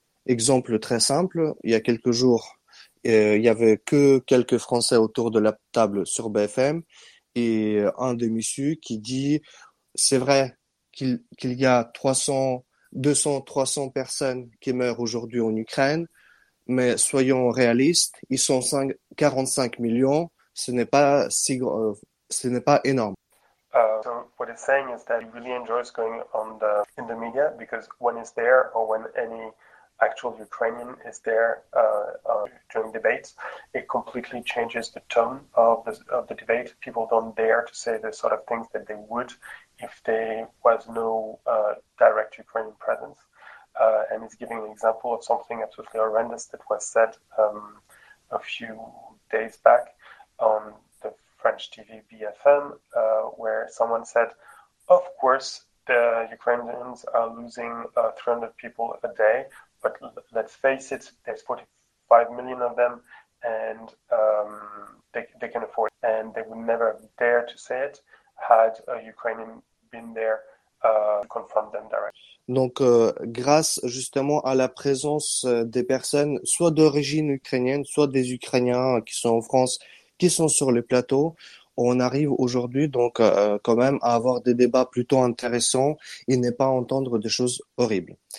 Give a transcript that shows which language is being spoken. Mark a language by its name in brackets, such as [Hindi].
[French] Exemple très simple, il y a quelques jours, il y avait que quelques Français autour de la table sur BFM et un des messieurs qui dit, c'est vrai qu'il y a 300, 200, 300 personnes qui meurent aujourd'hui en Ukraine, mais soyons réalistes, ils sont 5, 45 millions, ce n'est pas énorme. [English] So what he's saying is that he really enjoys going on the in the media because when he's there or when any actual Ukrainian is there during debates, it completely changes the tone of the debate. People don't dare to say the sort of things that they would if there was no direct Ukrainian presence. And he's giving an example of something absolutely horrendous that was said a few days back on French TV BFM, where someone said, of course, the Ukrainians are losing 300 people a day, but let's face it, there's 45 million of them, and they can afford it. And they would never dare to say it had a Ukrainian been there to confront them directly. [French] Donc, grâce justement à la présence des personnes, soit d'origine ukrainienne, soit des Ukrainiens qui sont en France, qui sont sur le plateau, on arrive aujourd'hui donc quand même à avoir des débats plutôt intéressants et ne pas entendre des choses horribles.